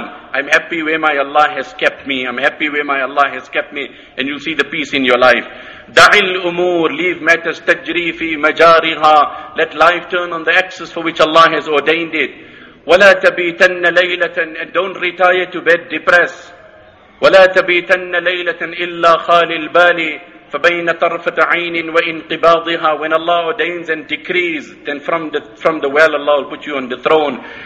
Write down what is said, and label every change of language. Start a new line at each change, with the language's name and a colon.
English: I'm happy where my Allah has kept me. I'm happy where my Allah has kept me. And you'll see the peace in your life.
Arabic: دَعِ الْأُمُورِ,
English: leave matters
Arabic: تَجْرِي فِي مَجَارِهَا.
English: Let life turn on the axis for which Allah has ordained it.
Arabic: ولا تبيتن ليلة,
English: and don't retire to bed depressed.
Arabic: ولا تبيتن ليلة إلا خالي البال فبين طرفة عين وانقباضها.
English: When Allah ordains and decrees, then from the well Allah will put you on the throne.